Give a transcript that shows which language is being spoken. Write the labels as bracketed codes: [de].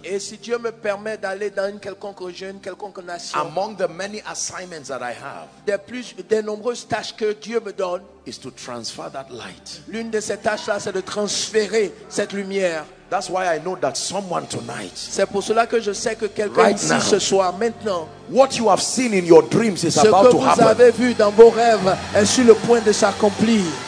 [fr] et si Dieu me permet d'aller dans une quelconque région, une quelconque nation, [en] among the many assignments that I have, [fr] des nombreuses tâches que Dieu me donne, [en] is to transfer that light. [fr] L'une de ces tâches-là, c'est de transférer cette lumière. [en] That's why I know that someone tonight, [fr] c'est pour cela que je sais que quelqu'un [en] right [fr] ici [en] now, [fr] ce soir, maintenant, [en] what you have seen in your dreams is about to happen. [fr] Ce que vous avez vu dans vos rêves est sur le point de s'accomplir.